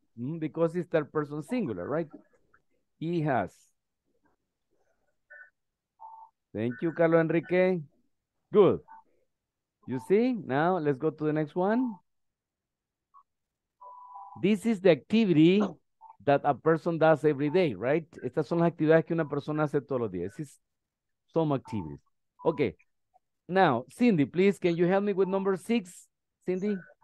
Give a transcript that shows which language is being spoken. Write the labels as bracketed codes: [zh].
[en] Because it's third person singular, right? He has. Thank you, Carlos Enrique. Good. You see, now let's go to the next one. This is the activity that a person does every day, right? [es] Estas son las actividades que una persona hace todos los días. [en] It's some activities. Okay. Now, Cindy, please, can you help me with number six, Cindy?